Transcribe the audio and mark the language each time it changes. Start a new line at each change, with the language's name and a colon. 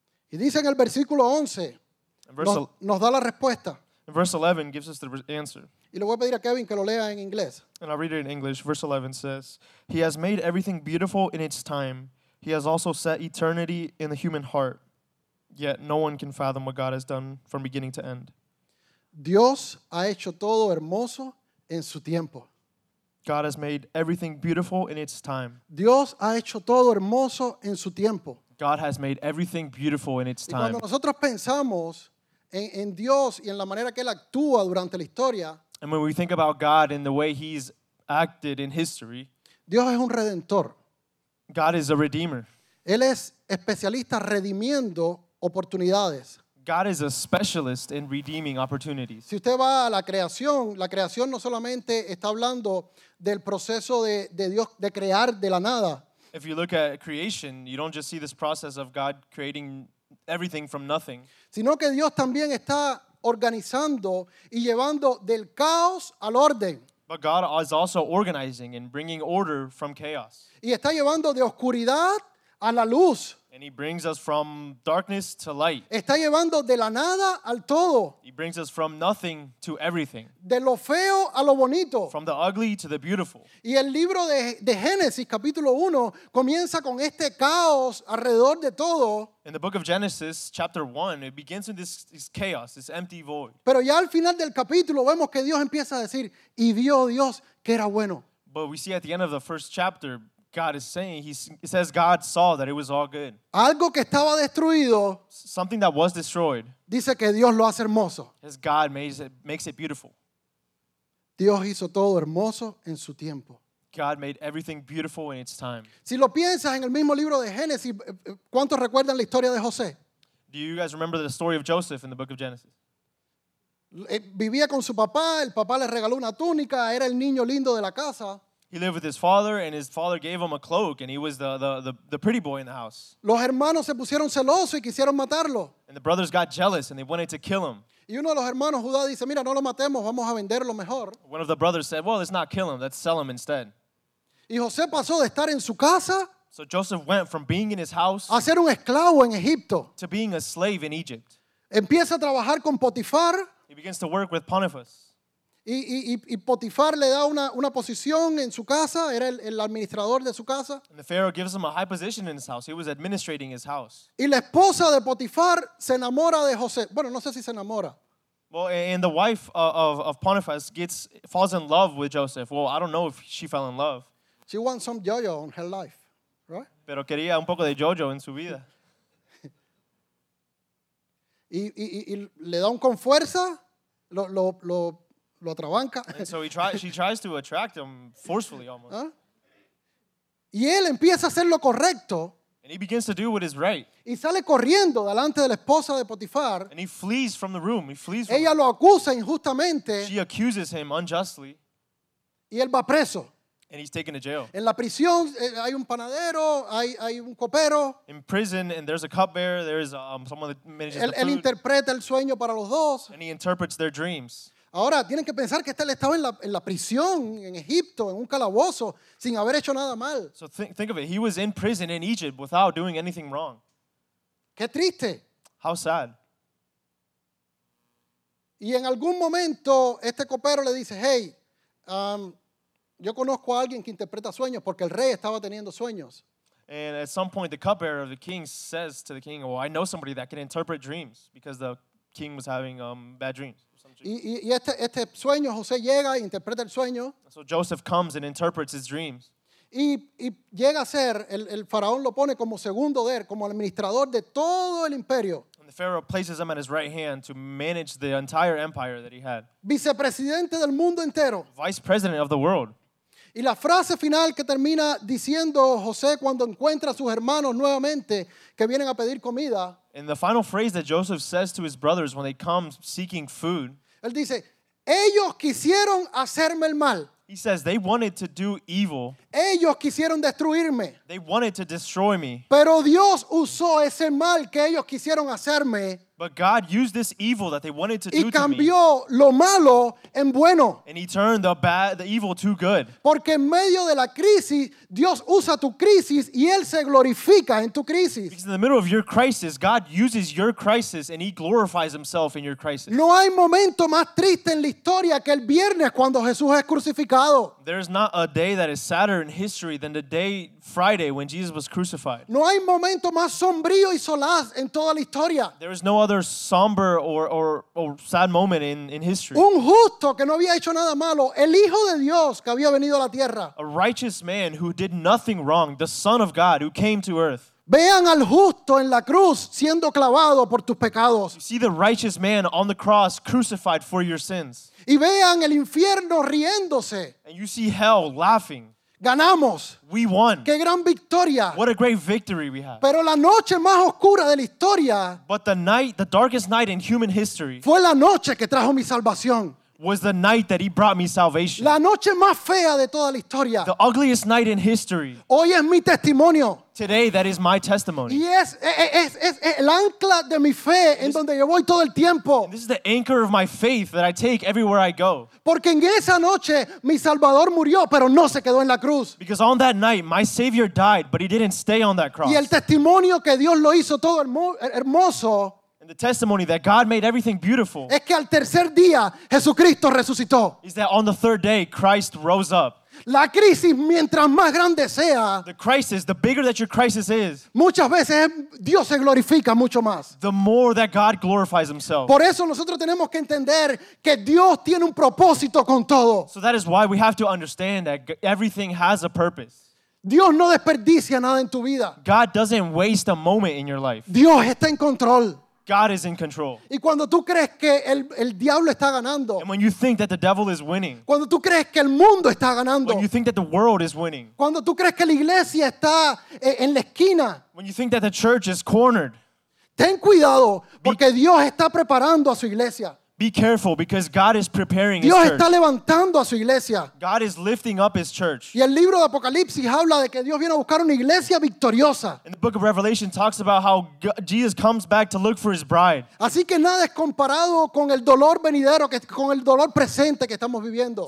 Spanish: Y dice en el versículo 11, nos da la respuesta.
English: And verse 11 gives us the answer.
Spanish: Y le voy a pedir a Kevin que lo lea en inglés.
English: And I'll read it in English. Verse 11 says, "He has made everything beautiful in its time. He has also set eternity in the human heart. Yet no one can fathom what God has done from beginning to end."
Spanish: Dios ha hecho todo hermoso en su tiempo.
English: God has made everything beautiful in its time.
Spanish: Dios ha hecho todo hermoso en su tiempo.
English: God has made everything beautiful in its time.
Spanish: Y cuando nosotros pensamos en Dios y en la manera que él actúa durante la historia,
English: and when we think about God and the way he's acted in history,
Spanish: Dios es un redentor.
English: God is a redeemer.
Spanish: Él es especialista redimiendo oportunidades.
English: God is a specialist in redeeming opportunities.
Spanish: Si usted va a la creación no solamente está hablando del proceso de Dios de crear de la nada.
English: If you look at creation, you don't just see this process of God creating everything from nothing.
Spanish: Sino que Dios también está organizando y llevando del caos al orden.
English: But God is also organizing and bringing order from chaos.
Spanish: Y está llevando de oscuridad a la luz.
English: And he brings us from darkness to light.
Spanish: Está llevando de la nada al todo.
English: He brings us from nothing to everything.
Spanish: De lo feo a lo bonito.
English: From the ugly to the beautiful.
Spanish: Y el libro de Génesis, capítulo 1, comienza con este caos alrededor de todo.
English: In the book of Genesis, chapter 1, it begins with this chaos, this empty void.
Spanish: Pero ya al final del capítulo vemos que Dios empieza a decir, y vio Dios que era bueno.
English: But we see at the end of the first chapter, God is saying, he says God saw that it was all good.
Spanish: Algo que estaba destruido,
English: something that was destroyed,
Spanish: dice que Dios lo hace hermoso.
English: As God makes it beautiful.
Spanish: Dios hizo todo hermoso en su tiempo.
English: God made everything beautiful in its time.
Spanish: Si lo piensas en el mismo libro de Génesis, ¿cuántos recuerdan la historia de José?
English: Do you guys remember the story of Joseph in the book of Genesis?
Spanish: Vivía con su papá, el papá le regaló una túnica, era el niño lindo de la casa.
English: He lived with his father, and his father gave him a cloak, and he was the pretty boy in the house.
Spanish: Los hermanos se pusieron celosos y quisieron matarlo.
English: And the brothers got jealous, and they wanted to kill him.
Spanish: Y uno de los hermanos, Judá, dice, mira, no lo matemos, vamos a venderlo mejor.
English: One of the brothers said, well, let's not kill him, let's sell him instead.
Spanish: Y José pasó de estar en su casa.
English: So Joseph went from being in his house.
Spanish: A ser un esclavo en Egipto.
English: To being a slave in Egypt.
Spanish: Empieza a trabajar con Potifar.
English: He begins to work with Potiphar.
Spanish: Y Potifar le da una posición en su casa, era el administrador de su casa.
English: And the Pharaoh gives him a high position in his house. He was administrating his house.
Spanish: Y la esposa de Potifar se enamora de José. Bueno, no sé si se enamora.
English: Well, and the wife of Potiphar falls in love with Joseph. Well, I don't know if she fell in love. She wants some yo-yo in her life, right?
Spanish: Pero quería un poco de yo-yo en su vida. y le da un con fuerza, lo atrabanca.
English: So she tries to attract him forcefully almost.
Spanish: Y él empieza a hacer lo correcto.
English: And he begins to do what is right.
Spanish: Y sale corriendo delante de la esposa de Potifar.
English: And he flees from the room. He flees from
Spanish: ella
English: her.
Spanish: Lo acusa injustamente.
English: She accuses him unjustly.
Spanish: Y él va preso.
English: And he's taken to jail.
Spanish: En la prisión hay un panadero, hay un copero.
English: In prison, and there's a cupbearer, there's someone that manages
Spanish: el,
English: the food.
Spanish: Él interpreta el sueño para los dos.
English: And he interprets their dreams.
Spanish: Ahora tienen que pensar que él estaba en la prisión en Egipto en un calabozo sin haber hecho nada mal.
English: So think of it. He was in prison in Egypt without doing anything wrong.
Spanish: Qué triste.
English: How sad.
Spanish: Y en algún momento este copero le dice, hey, yo conozco a alguien que interpreta sueños porque el rey estaba teniendo sueños.
English: And at some point the cupbearer of the king says to the king, well, I know somebody that can interpret dreams because the king was having bad dreams.
Spanish: Y este sueño, José llega e interpreta el sueño.
English: So Joseph comes and interprets his dreams.
Spanish: Y llega a ser, el faraón lo pone como segundo de él, como administrador de todo el imperio.
English: And the Pharaoh places him at his right hand to manage the entire empire that he had.
Spanish: Vicepresidente del mundo entero.
English: Vice president of the world.
Spanish: Y la frase final que termina diciendo José cuando encuentra a sus hermanos nuevamente que vienen a pedir comida.
English: And the final phrase that Joseph says to his brothers when they come seeking food.
Spanish: Él dice, ellos quisieron hacerme el mal.
English: He says, they wanted to do evil.
Spanish: Ellos quisieron destruirme.
English: They wanted to destroy me.
Spanish: Pero Dios usó ese mal que ellos quisieron hacerme.
English: But God used this evil that they wanted to do to me.
Spanish: Y cambió lo malo en bueno.
English: And he turned the evil to good.
Spanish: Porque en medio de la crisis, Dios usa tu crisis y él se glorifica en tu crisis.
English: Because in the middle of your crisis, God uses your crisis and he glorifies himself in your crisis.
Spanish: No hay momento más triste en la historia que el viernes cuando Jesús es crucificado.
English: There's not a day that is sadder in history than the day Friday when Jesus was crucified.
Spanish: No hay momento más sombrío y solaz en toda la historia.
English: There is no other somber or sad moment in history.
Spanish: Un justo que no había hecho nada malo, el hijo de Dios que había venido a la tierra.
English: A righteous man who did nothing wrong, the Son of God who came to earth.
Spanish: Vean al justo en la cruz siendo clavado por tus pecados.
English: You see the righteous man on the cross crucified for your sins.
Spanish: Y vean el infierno riéndose.
English: And you see hell laughing.
Spanish: Ganamos.
English: We won.
Spanish: Qué gran victoria.
English: What a great victory we had.
Spanish: Pero la noche más oscura de la historia.
English: But the night, the darkest night in human history.
Spanish: Fue la noche que trajo mi salvación.
English: Was the night that he brought me salvation.
Spanish: La noche más fea de toda la historia.
English: The ugliest night in history.
Spanish: Hoy es mi testimonio.
English: Today, that is my testimony.
Spanish: Yes, es el ancla de mi fe en donde yo voy todo el tiempo.
English: This is the anchor of my faith that I take everywhere I go.
Spanish: Porque en esa noche mi Salvador murió, pero no se quedó en la cruz.
English: Because on that night my Savior died, but he didn't stay on that cross.
Spanish: Y el testimonio que Dios lo hizo todo hermoso.
English: And the testimony that God made everything beautiful
Spanish: es que al tercer día, Jesucristo resucitó.
English: Is that on the third day, Christ rose up.
Spanish: La crisis, mientras más grande sea,
English: the crisis, the bigger that your crisis is,
Spanish: muchas veces Dios se glorifica mucho más.
English: The more that God glorifies himself.
Spanish: Por eso nosotros tenemos que entender que Dios tiene un propósito con todo.
English: So that is why we have to understand that everything has a purpose.
Spanish: Dios no desperdicia nada en tu vida.
English: God doesn't waste a moment in your life.
Spanish: Dios está en control.
English: God is in control.
Spanish: Y cuando tú crees que el diablo está ganando.
English: And when you think that the devil is winning.
Spanish: Cuando tú crees que el mundo está ganando.
English: When you think that the world is winning.
Spanish: Cuando tú crees que la iglesia está en la esquina.
English: When you think that the church is cornered.
Spanish: Ten cuidado porque Dios está preparando a su iglesia.
English: Be careful because God is preparing
Spanish: Dios Dios está levantando a su iglesia.
English: God is lifting up his church.
Spanish: Y el libro de Apocalipsis habla de que Dios viene a buscar una iglesia victoriosa.
English: And the book of Revelation talks about how Jesus comes back to look for his bride.
Spanish: Así que nada es comparado con el dolor venidero, con el dolor presente que estamos viviendo.